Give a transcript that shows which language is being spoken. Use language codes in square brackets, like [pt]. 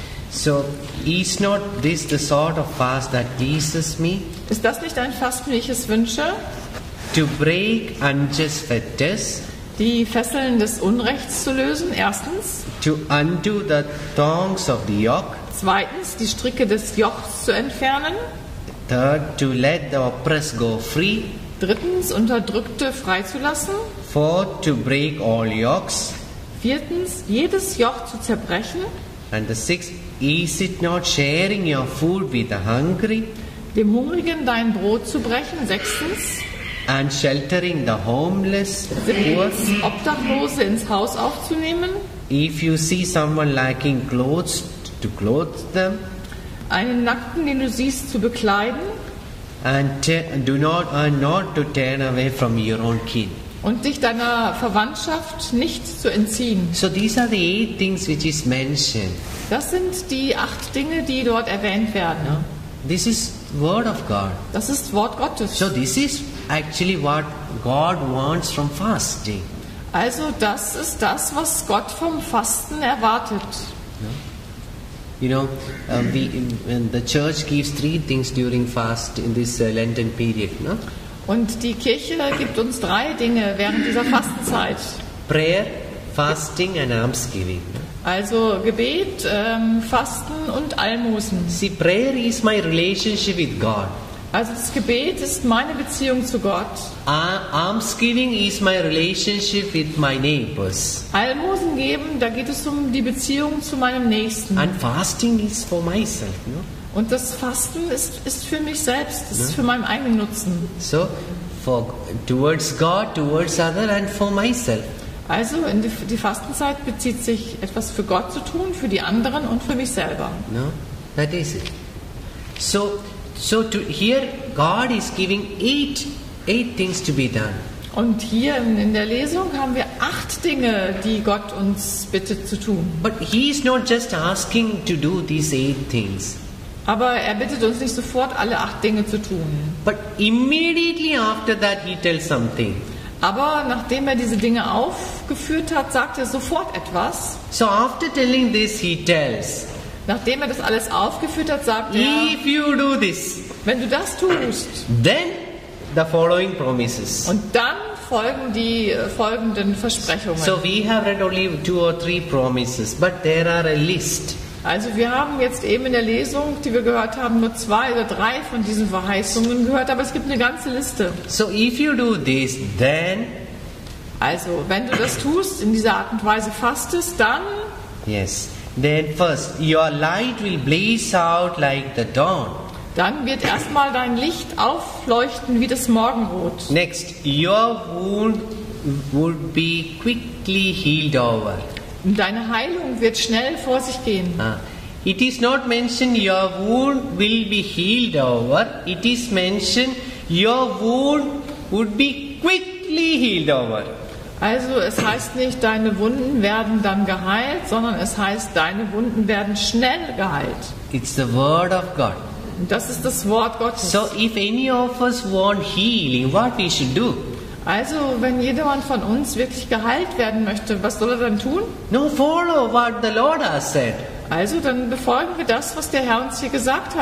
[en] So is not this the sort of fast that Jesus me? [de] Ist das nicht ein Fasten, wie ich es wünsche? [en] To break unjust fetters. [de] Die Fesseln des Unrechts zu lösen, erstens. [en] To undo the thongs of the yoke. [de] Zweitens, die Stricke des Jochs zu entfernen. [en] Third, to let the oppressed go free. [de] Drittens, Unterdrückte freizulassen. [en] Fourth, to break all yokes. [de] Viertens, jedes Joch zu zerbrechen. [en] And the sixth, is it not sharing your food with the hungry? [de] Dem Hungrigen dein Brot zu brechen, sechstens. [en] And sheltering the homeless, [de] siebtens, Obdachlose ins Haus aufzunehmen. [en] If you see someone lacking clothes, to clothe them. [de] Einen Nackten, den du siehst, zu bekleiden. [en] And do not to turn away from your own kin. [de] Und dich deiner Verwandtschaft nicht zu entziehen. [en] So these are the 8 things which is mentioned. [de] Das sind die 8 Dinge, die dort erwähnt werden. [en] No? This is word of God. [de] Das ist Wort Gottes. [en] So this is actually what God wants from fasting. [de] Also das ist das, was Gott vom Fasten erwartet. [en] No? You know, the church gives 3 things during fast in this Lenten period. No? [de] Und die Kirche gibt uns 3 Dinge während dieser Fastenzeit. [en] Prayer, fasting and almsgiving. [de] Also Gebet, Fasten und Almosen. [en] See, prayer is my relationship with God. [de] Also das Gebet ist meine Beziehung zu Gott. [en] Almsgiving is my relationship with my neighbors. [de] Almosen geben, da geht es um die Beziehung zu meinem Nächsten. [en] And fasting is for myself, no? [de] Und das Fasten ist für mich selbst, ist für meinen eigenen Nutzen. [en] So, for towards God, towards others, and for myself. [de] Also, in die Fastenzeit bezieht sich etwas für Gott zu tun, für die anderen und für mich selber. [en] No, that is it. So, here God is giving eight things to be done. [de] Und hier in der Lesung haben wir 8 Dinge, die Gott uns bittet zu tun. [en] But he is not just asking to do these 8 things. [de] Aber er bittet uns nicht sofort alle 8 Dinge zu tun. [en] But immediately after that he tells something. [de] Aber nachdem er diese Dinge aufgeführt hat, sagt er sofort etwas. [en] So after telling this he tells. [de] Nachdem er das alles aufgeführt hat, sagt [en] if [de] er. [en] If you do this. [de] Wenn du das tust. [en] Then the following promises. [de] Und dann folgen die folgenden Versprechungen. [en] So we have read only 2 or 3 promises, but there are a list. [de] Also wir haben jetzt eben in der Lesung, die wir gehört haben, nur 2 oder 3 von diesen Verheißungen gehört, aber es gibt eine ganze Liste. [en] So if you do this, then. [de] Also wenn du das tust, in dieser Art und Weise fastest, dann. [en] Yes. Then first, your light will blaze out like the dawn. [de] Dann wird erstmal dein Licht aufleuchten wie das Morgenrot. [en] Next, your wound would be quickly healed over. [de] Deine Heilung wird schnell vor sich gehen. [en] It is not mentioned your wound will be healed over. It is mentioned your wound would be quickly healed over. [de] Also es heißt nicht, deine Wunden werden dann geheilt, sondern es heißt, deine Wunden werden schnell geheilt. [en] It's the word of God. [de] Das ist das Wort Gottes. [en] So if any of us want healing, what we should do? [de] Also, wenn jemand von uns wirklich geheilt werden möchte, was soll er dann tun? [en] No, follow what the Lord has said. [de] Also, dann befolgen wir das, was der Herr uns hier gesagt hat.